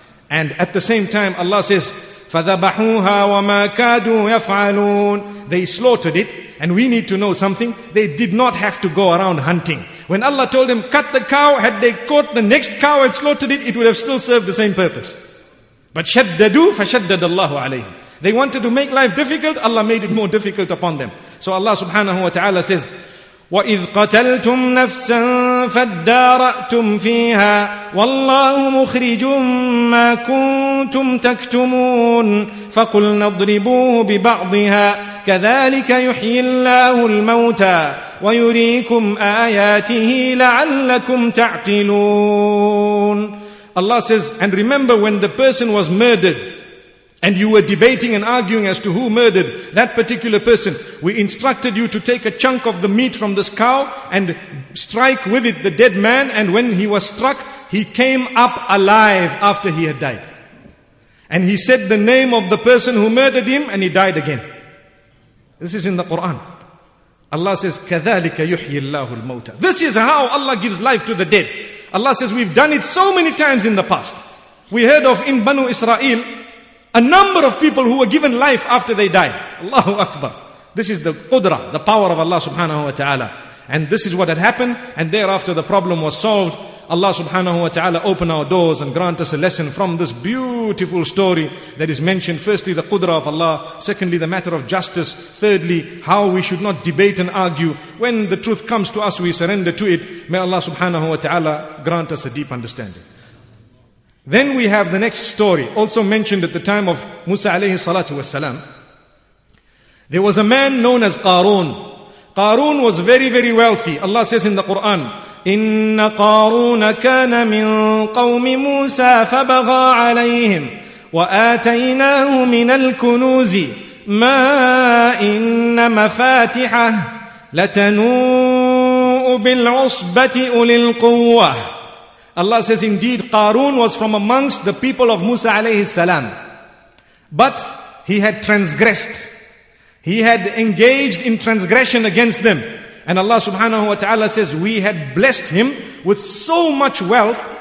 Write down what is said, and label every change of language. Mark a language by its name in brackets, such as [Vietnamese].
[English] And at the same time, Allah says, [Arabic] فَذَبَحُوهَا وَمَا كَادُوا يَفْعَلُونَ. [English] They slaughtered it. And we need to know something. They did not have to go around hunting. When Allah told them, cut the cow, had they caught the next cow and slaughtered it, it would have still served the same purpose. But [Arabic] شَدَّدُوا فَشَدَّدَ اللَّهُ عَلَيْهِمْ. [English] They wanted to make life difficult. Allah made it more difficult upon them. So Allah subhanahu wa ta'ala says, [Arabic] وَإِذْ قَتَلْتُمْ نَفْسًا فَادَّارَأْتُمْ فِيهَا وَاللَّهُ مُخْرِجٌ مَا كُنْتُمْ تَكْتُمُونَ فَقُلْنَا اضْرِبُوهُ بِبَعْضِهَا كَذَلِكَ يُحْيِي اللَّهُ الْمَوْتَى وَيُرِيكُمْ آيَاتِهِ لَعَلَّكُمْ تَعْقِلُونَ. [English] Allah says, and remember when the person was murdered and you were debating and arguing as to who murdered that particular person, we instructed you to take a chunk of the meat from this cow and strike with it the dead man. And when he was struck, he came up alive after he had died. And he said the name of the person who murdered him and he died again. This is in the Quran. Allah says, [Arabic] كَذَلِكَ يُحْيِي اللَّهُ الْمَوْتَى. [English] This is how Allah gives life to the dead. Allah says, we've done it so many times in the past. We heard of in Banu Israel, a number of people who were given life after they died. Allahu Akbar. This is the qudra, the power of Allah subhanahu wa ta'ala. And this is what had happened. And thereafter the problem was solved. Allah subhanahu wa ta'ala open our doors and grant us a lesson from this beautiful story that is mentioned. Firstly, the qudra of Allah. Secondly, the matter of justice. Thirdly, how we should not debate and argue. When the truth comes to us, we surrender to it. May Allah subhanahu wa ta'ala grant us a deep understanding. Then we have the next story, also mentioned at the time of Musa alayhi salatu wasalam. There was a man known as Qarun. Qarun was very, very wealthy. Allah says in the Quran, [Arabic] إِنَّ قَارُونَ كَانَ مِن قَوْمِ مُوسَى فَبَغَى عَلَيْهِمْ وَآتَيْنَاهُ مِنَ الْكُنُوزِ مَا إِنَّ مَفَاتِحَهُ لَتَنُوءُ بِالْعُصْبَةِ أُولِي الْقُوَّةِ. [English] Allah says, indeed, Qarun was from amongst the people of Musa alayhi salam. But he had transgressed. He had engaged in transgression against them. And Allah subhanahu wa ta'ala says, we had blessed him with so much wealth.